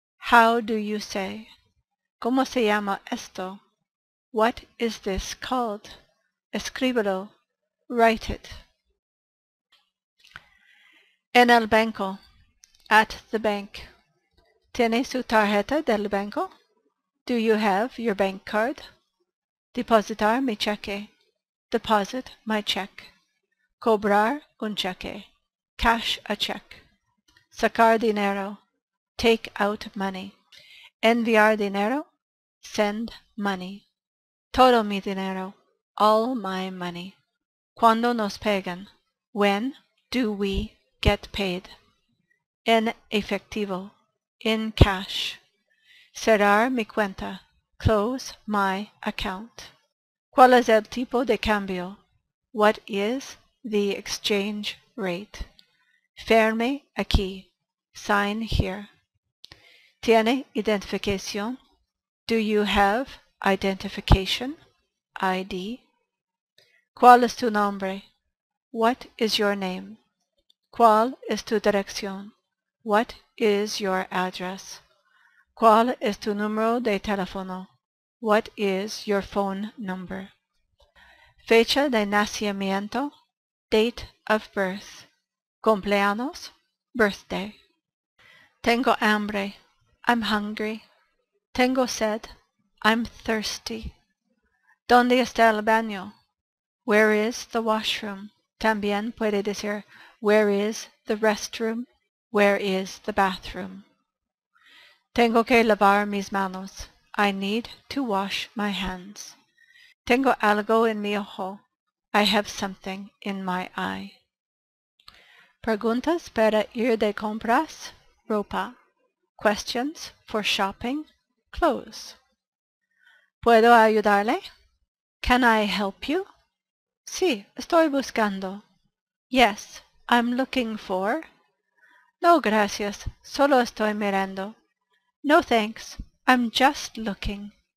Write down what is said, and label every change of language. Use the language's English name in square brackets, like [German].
[English] How do you say? [Spanish] ¿Cómo se llama esto? [English] What is this called? [Spanish] Escríbelo. [English] Write it. [Spanish] En el banco. [English] At the bank. [Spanish] ¿Tiene su tarjeta del banco? [English] Do you have your bank card? [Spanish] Depositar mi cheque. [English] Deposit my check. [Spanish] Cobrar un cheque. [English] Cash a check. [Spanish] Sacar dinero. [English] Take out money. [Spanish] Enviar dinero. [English] Send money. [Spanish] Todo mi dinero. [English] All my money. [Spanish] ¿Cuándo nos pagan? [English] When do we get paid? [Spanish] En efectivo. [English] In cash. [Spanish] Cerrar mi cuenta. [English] Close my account. [Spanish] ¿Cuál es el tipo de cambio? [English] What is the exchange rate? [Spanish] Firme aquí. [English] Sign here. [Spanish] ¿Tiene identificación? [English] Do you have identification? [Spanish] ID. ¿Cuál es tu nombre? [English] What is your name? [Spanish] ¿Cuál es tu dirección? [English] What is your address? [Spanish] ¿Cuál es tu número de teléfono? [English] What is your phone number? [Spanish] Fecha de nacimiento. [English] Date of birth. [Spanish] Cumpleaños. Birthday. Tengo hambre. [English] I'm hungry. [Spanish] Tengo sed. [English] I'm thirsty. [Spanish] ¿Dónde está el baño? [English] Where is the washroom? [Spanish] También puede decir, [English] where is the restroom? Where is the bathroom? [Spanish] Tengo que lavar mis manos. [English] I need to wash my hands. [Spanish] Tengo algo en mi ojo. [English] I have something in my eye. [Spanish] Preguntas para ir de compras, ropa. [English] Questions for shopping, clothes. [Spanish] ¿Puedo ayudarle? [English] Can I help you? [Spanish] Sí, estoy buscando. [English] Yes, I'm looking for. [Spanish] No, gracias, solo estoy mirando. [English] No, thanks, I'm just looking.